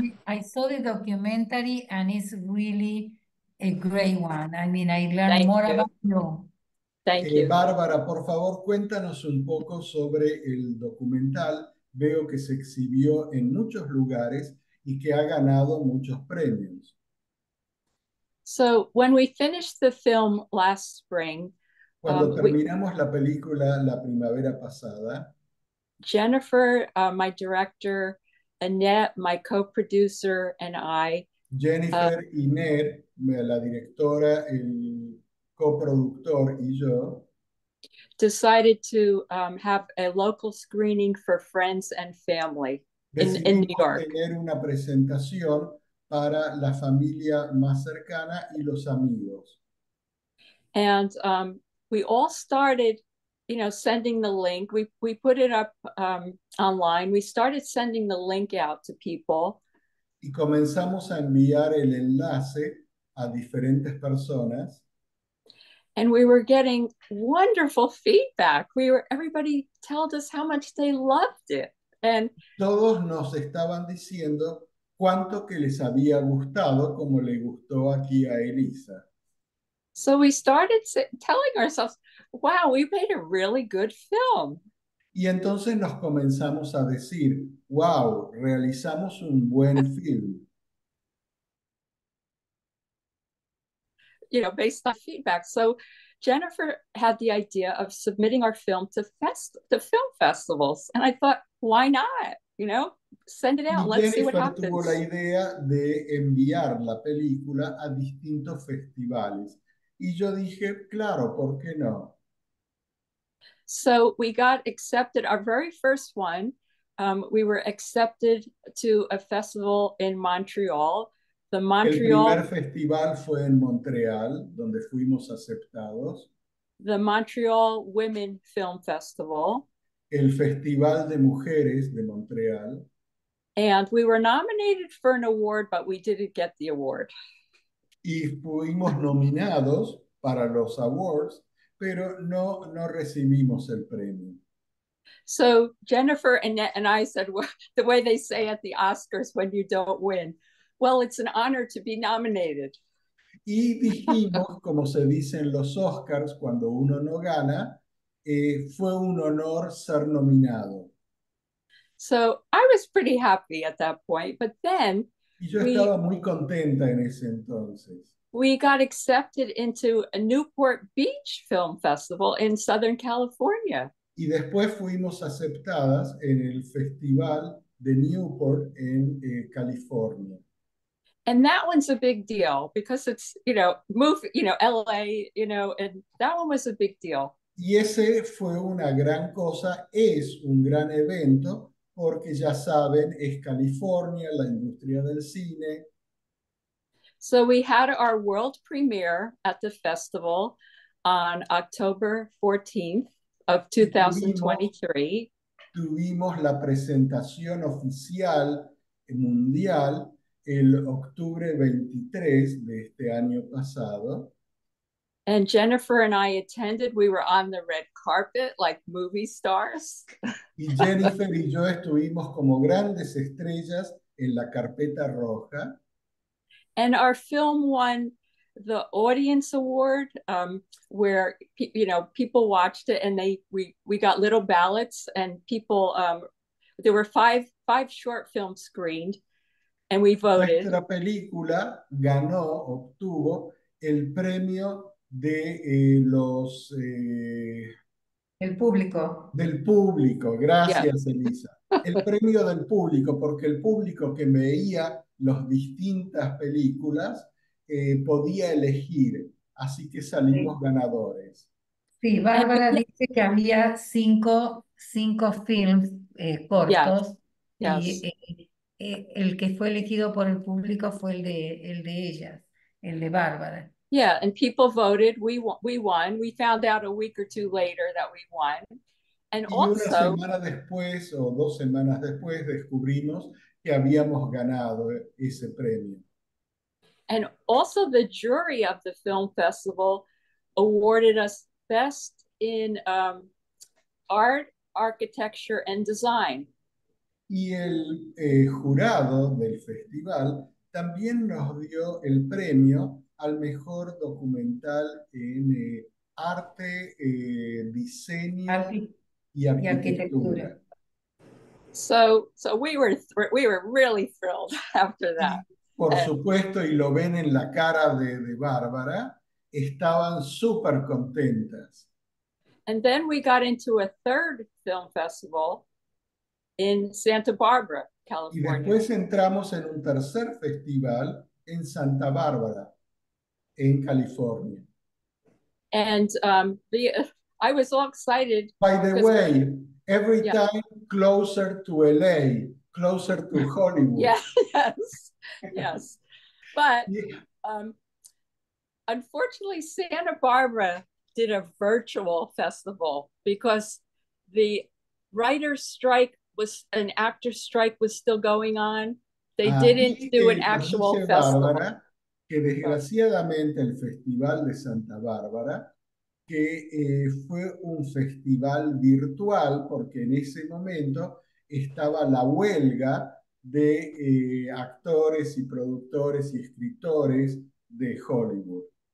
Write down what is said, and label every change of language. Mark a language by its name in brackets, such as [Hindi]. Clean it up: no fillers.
[English] I saw the documentary, and it's really a great one. I mean, I learned Thank more you. about you. Thank you. [Spanish] Bárbara, por favor, cuéntanos un poco sobre el documental. Veo que se exhibió en muchos lugares y que ha ganado muchos premios. [English] So when we finished the film last spring, [Spanish] cuando terminamos la película la primavera pasada, [English] Jennifer, my director, Annette, my co-producer, and I, [Spanish] Jennifer y Ned, la directora, el coproductor y yo, [English] decided to have a local screening for friends and family in New York. [Spanish] Decidimos tener una presentación para la familia más cercana y los amigos. [English] And we all started, you know, sending the link. We put it up online. We started sending the link out to people. [Spanish] Y comenzamos a enviar el enlace a diferentes personas. [English] And we were getting wonderful feedback. Everybody told us how much they loved it. And [Spanish] todos nos estaban diciendo cuánto que les había gustado, como le gustó aquí a Elisa. [English] So we started telling ourselves, wow, we made a really good film. [Spanish] Y entonces nos comenzamos a decir, wow, realizamos un buen film. [English] You know, based on feedback. So Jennifer had the idea of submitting our film to film festivals. And I thought, why not? You know, send it out. [Spanish] Y [English] let's see what happens. [Spanish] Jennifer tuvo la idea de enviar la película a distintos festivales. Y yo dije, claro, ¿por qué no? [English] So we got accepted, our very first one, we were accepted to a festival in Montreal. The Montreal, [Spanish] el primer festival fue en Montreal, donde fuimos aceptados. [English] The Montreal Women Film Festival. [Spanish] El Festival de Mujeres de Montreal. [English] And we were nominated for an award, but we didn't get the award. [Spanish] Y fuimos nominados para los awards, pero no recibimos el premio. [English] So Jennifer, Annette, and I said, well, the way they say at the Oscars when you don't win, well, it's an honor to be nominated. [Spanish] Y dijimos, como se dice en los Oscars, cuando uno no gana, fue un honor ser nominado. [English] So I was pretty happy at that point, but then [Spanish] y yo estaba muy contenta en ese entonces. [English] We got accepted into a Newport Beach Film Festival in Southern California. [Spanish] Y después fuimos aceptadas en el Festival de Newport en California. [English] And that one's a big deal because it's, you know, move, you know, LA, you know, and that one was a big deal. [Spanish] Y ese fue una gran cosa, es un gran evento, porque ya saben, es California, la industria del cine. [English] So we had our world premiere at the festival on October 14th of 2023. [Spanish] Tuvimos la presentación oficial mundial el octubre 23 de este año pasado. [English] And Jennifer and I attended. We were on the red carpet like movie stars. [Spanish] Y Jennifer y yo estuvimos como grandes estrellas en la carpeta roja. [English] And our film won the audience award, where you know people watched it and we got little ballots and people. There were five short films screened, and we voted. [Spanish] Nuestra película ganó, obtuvo el premio de los. El público. Del público, gracias, yeah. Elisa. El premio del público, porque el público que veía las distintas películas podía elegir, así que salimos sí. Ganadores. Sí, Bárbara dice que había cinco films cortos, [English] yes. [Spanish] Y el que fue elegido por el público fue el de ella, el de Bárbara. [English] Yeah, and people voted. We won. We found out a week or two later that we won. And also, [Spanish] una semana después o dos semanas después descubrimos que habíamos ganado ese premio. [English] And also the jury of the film festival awarded us best in art, architecture and design. [Spanish] Y el jurado del festival también nos dio el premio al mejor documental en arte, diseño y arquitectura. [English] So we were really thrilled after that. [Spanish] Por supuesto, y lo ven en la cara de Bárbara, estaban súper contentas. [English] And then we got into a third film festival in Santa Barbara, [Spanish] Y [English] California. [Spanish] después entramos en un tercer festival en Santa Bárbara, en California. [English] And I was all excited By the because we're way, every time closer to LA, closer to Hollywood. yes. But Yeah. unfortunately, Santa Barbara did a virtual festival because the writer's strike was an actor's strike was still going on. They didn't [Spanish] Aquí [English] do an actual [Spanish] dice [English] festival. [Spanish] Bárbara que desgraciadamente el Festival de Santa Bárbara, que fue un festival virtual, porque en ese momento estaba la huelga de actores y productores y escritores de Hollywood.